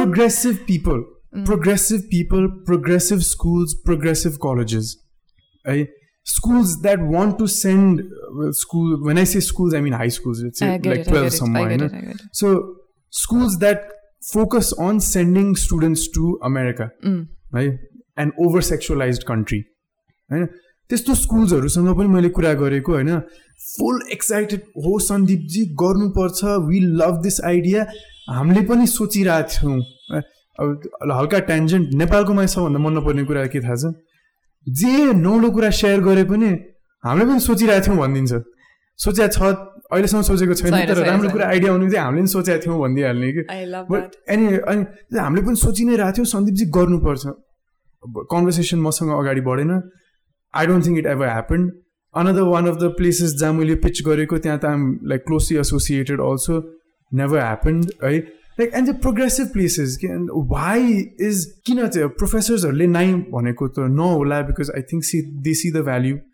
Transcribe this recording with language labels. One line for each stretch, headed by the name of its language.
English: Progressive people. Progressive people, progressive schools, progressive colleges. schools that want to send school, when I say schools, I mean high schools, let's say like 12 somewhere. So schools that focus on sending students to America, right? An over-sexualized country.
Nepali: त्यस्तो स्कुल्सहरूसँग पनि मैले कुरा गरेको होइन, फुल excited हो सन्दीपजी गर्नुपर्छ,
English: we love this idea,
Nepali: हामीले पनि सोचिरहेको थियौँ. अब हल्का ट्यान्जेन्ट, नेपालकोमा सबभन्दा मन नपर्ने कुरा के थाहा छ, जे नौलो कुरा सेयर गरे पनि हामीले पनि सोचिरहेको थियौँ भनिदिन्छ. सोचेको छ, अहिलेसम्म सोचेको छैन, तर राम्रो कुरा आइडिया आउनु चाहिँ हामीले पनि सोचेको थियौँ भनिदिइहाल्ने कि. अनि अनि हामीले पनि सोचि नै रहेको थियौँ सन्दीपजी गर्नुपर्छ, कन्भर्सेसन मसँग अगाडि बढेन.
English: I don't think it ever happened. Another one of the places
Nepali: jaha maile pitch gareko, tya ta
English: I'm like closely associated also, never happened, right? Like, and the progressive places, why is,
Nepali: kina chha,
English: professors
Nepali: harle nai bhaneko ta nahola,
English: because I think they see the value.